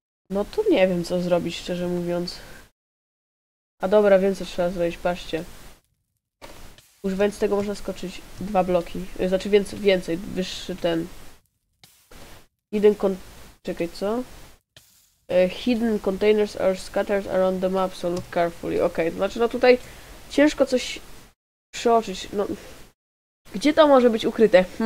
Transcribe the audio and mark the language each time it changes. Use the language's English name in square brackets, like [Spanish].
[Polish] No tu nie wiem, co zrobić, szczerze mówiąc. A dobra, wiem, co trzeba zrobić, patrzcie. Używając tego można skoczyć dwa bloki. Znaczy więcej, wyższy ten. Czekaj, co? [English] Hidden containers are scattered around the map, so look carefully. [Polish] Okej, okay, znaczy no tutaj ciężko coś przeoczyć. No, gdzie to może być ukryte?